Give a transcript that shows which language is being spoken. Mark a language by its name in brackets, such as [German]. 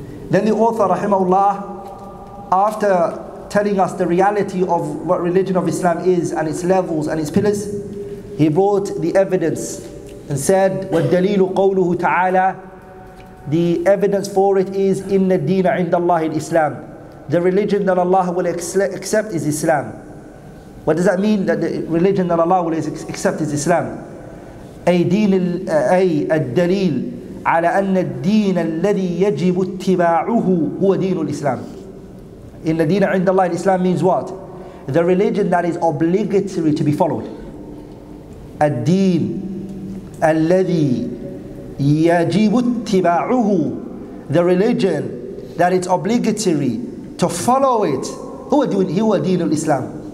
[English] Then the author rahimahullah, after telling us the reality of what religion of Islam is and its levels and its pillars, he brought the evidence and said, [Arabic] وَالدَّلِيلُ قَوْلُهُ تَعَالَى, [English] the evidence for it is [Arabic] إِنَّ الدِّينَ عِنْدَ اللَّهِ الْإِسْلَامِ, [English] the religion that Allah will accept is Islam. What does that mean, that the religion that Allah will accept is Islam? [Arabic] أي الدليل على أن الدين الذي يجب اتباعه هو دين الإسلام. إن الدين عند الله الإسلام [English] means what? The religion that is obligatory to be followed. [Arabic] الدين الذي يجب اتباعه, [English] the religion that it's obligatory to follow it, [Arabic] هو دين الإسلام.